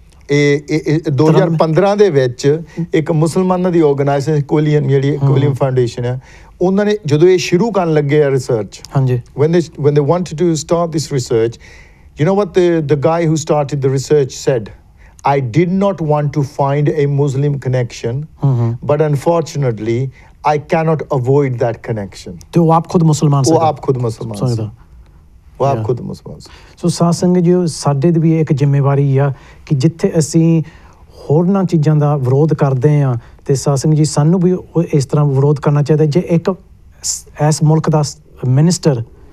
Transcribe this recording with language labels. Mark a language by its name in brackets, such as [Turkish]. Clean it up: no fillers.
[Punjabi] 2015 ਦੇ ਵਿੱਚ ਇੱਕ ਮੁਸਲਮਾਨਾਂ ਦੀ ਆਰਗੇਨਾਈਜੇਸ਼ਨ ਕੋਲੀਅਨ ਜਿਹੜੀ ਕੋਲੀਅਨ ਫਾਊਂਡੇਸ਼ਨ ਹੈ ਉਹਨਾਂ ਨੇ ਜਦੋਂ ਇਹ ਸ਼ੁਰੂ ਕਰਨ ਲੱਗੇ ਆ ਰਿਸਰਚ ਹਾਂਜੀ [English] when they wanted to start this research you know what the guy who started the research said I did not want to find a Muslim connection mm-hmm. but unfortunately I cannot avoid that connection [Hindi] to aap khud musliman se ho aap khud musliman se [Punjabi] ਉਹ ਆਪ ਖੁਦ ਮੁਸਲਮਾਨ ਸੋ ਸਾਧ ਸੰਗਤ ਜੀ ਸਾਡੇ ਦੀ ਵੀ ਇੱਕ ਜ਼ਿੰਮੇਵਾਰੀ ਆ ਕਿ ਜਿੱਥੇ ਅਸੀਂ ਹੋਰਨਾਂ ਚੀਜ਼ਾਂ ਦਾ ਵਿਰੋਧ ਕਰਦੇ ਹਾਂ ਅਤੇ ਸਾਧ ਸੰਗਤ ਜੀ ਸਾਨੂੰ ਵੀ ਇਸ ਤਰ੍ਹਾਂ ਵਿਰੋਧ ਕਰਨਾ ਚਾਹੀਦਾ ਜੇ ਇੱਕ ਇਸ ਮੁਲਕ ਦਾ ਮਿਨਿਸਟਰ